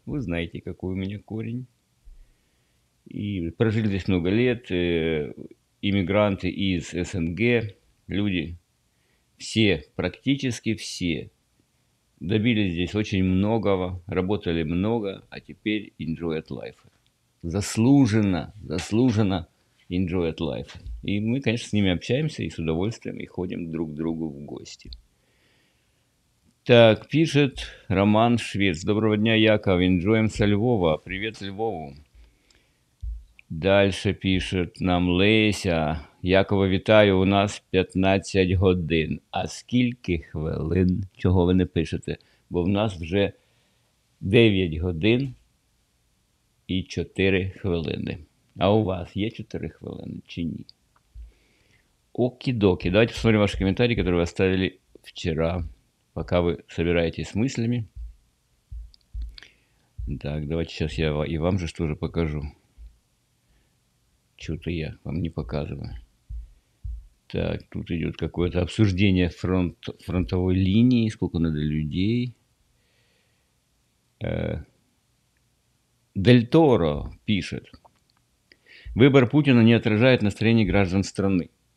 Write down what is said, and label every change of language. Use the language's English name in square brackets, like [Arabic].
[Russian] Вы знаете, какой у меня корень. И прожили здесь много лет. Иммигранты из СНГ, люди, все, практически все, добились здесь очень многого, работали много, а теперь [English] enjoy life. [Russian] Заслуженно [English] enjoy life. [Russian] И мы, конечно, с ними общаемся и с удовольствием, и ходим друг к другу в гости. Так, пишет Роман Швец. Доброго дня, Яков, enjoy'ем со Львова. Привет Львову. Дальше пишет нам Леся. [Ukrainian] Якова, вітаю, у нас 15 годин. А скільки хвилин? Чого ви не пишете? Бо в нас вже 9 годин і 4 хвилини. А у вас є 4 хвилини чи ні? Окі-докі. [Russian] Давайте посмотрим [Ukrainian] ваші коментарі, які ви оставили вчора, поки ви збираєтесь з мислями. Так, давайте зараз я і вам же теж покажу. [Russian] Что-то я вам не показываю. Так, тут идет какое-то обсуждение фронтовой линии, сколько надо людей. Дель Торо пишет. Выбор Путина не отражает настроение граждан страны.